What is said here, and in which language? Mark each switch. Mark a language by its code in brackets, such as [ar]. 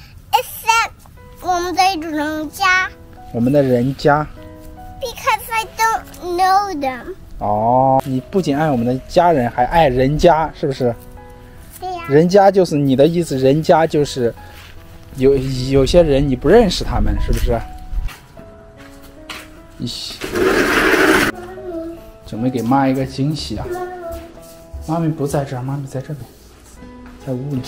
[en] It's that [zh] 我们的人家。我们的人家。 [en] Because I don't know them. [zh] 哦，你不仅爱我们的家人，还爱人家，是不是？对呀。人家就是你的意思，人家就是有些人你不认识他们，是不是？准备给妈一个惊喜啊！妈咪不在这儿，妈咪在这边，在屋里。